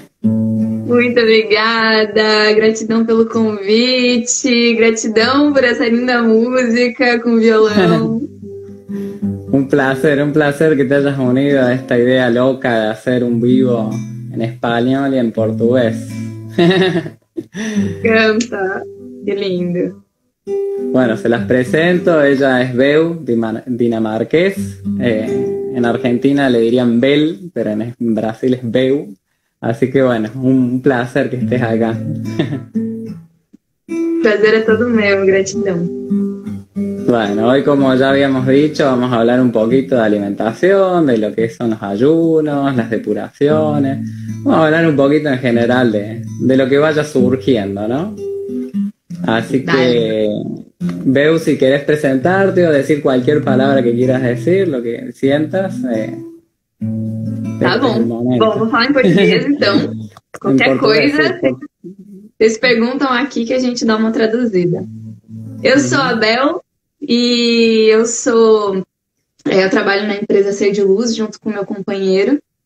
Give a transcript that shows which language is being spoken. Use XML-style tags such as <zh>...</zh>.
<pt>Muito obrigada, gratidão pelo convite, gratidão por essa linda música com violão.</pt> <es>un placer que te hayas unido a esta idea loca de hacer un vivo en español y en portugués. Canta, qué lindo. Bueno, se las presento, ella es Beu, dinamarqués, en Argentina le dirían Bel, pero en Brasil es Beu. Así que bueno, un placer que estés acá. Placer es todo mío, gratitud. Bueno, hoy como ya habíamos dicho, vamos a hablar un poquito de alimentación, de lo que son los ayunos, las depuraciones. Vamos a hablar un poquito en general de lo que vaya surgiendo, ¿no? Así que, Beu, si querés presentarte o decir cualquier palabra que quieras decir, lo que sientas,</es> <pt>Tá bom, vou falar em português então. Qualquer coisa, vocês perguntam aqui que a gente dá uma traduzida. Eu sou a Bel e eu trabalho na empresa Ser de Luz junto com meu companheiro.</pt>